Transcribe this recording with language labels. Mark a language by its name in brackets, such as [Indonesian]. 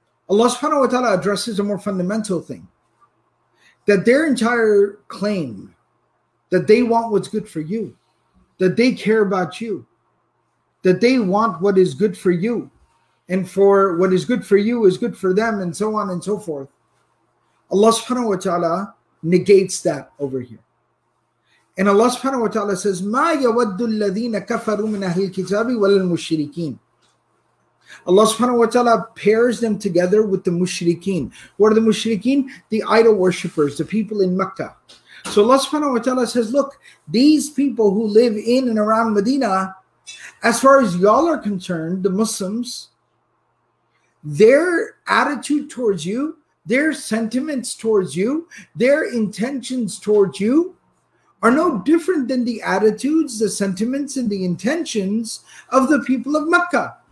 [English] Allah subhanahu wa ta'ala addresses a more fundamental thing. That their entire claim that they want what's good for you, that they care about you, that they want what is good for you, and for what is good for you is good for them, and so on and so forth. Allah subhanahu wa ta'ala negates that over here. And Allah subhanahu wa ta'ala says, [Arabic] مَا يَوَدُّ الَّذِينَ كَفَرُوا مِنْ أَهْلِ الْكِتَابِ وَلَلْمُشْرِكِينَ. [English] Allah subhanahu wa ta'ala pairs them together with the mushrikeen. What are the mushrikeen? The idol worshippers, the people in Mecca. So Allah subhanahu wa ta'ala says, look, these people who live in and around Medina, as far as y'all are concerned, the Muslims, their attitude towards you, their sentiments towards you, their intentions towards you are no different than the attitudes, the sentiments, and the intentions of the people of Mecca.